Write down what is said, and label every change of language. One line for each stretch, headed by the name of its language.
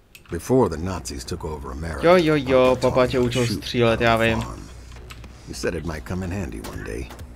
English: Before the Nazis took over America.
Czech: Jo jo jo, papa tě učil střílet, já vím.
English: He said it might come in handy one day.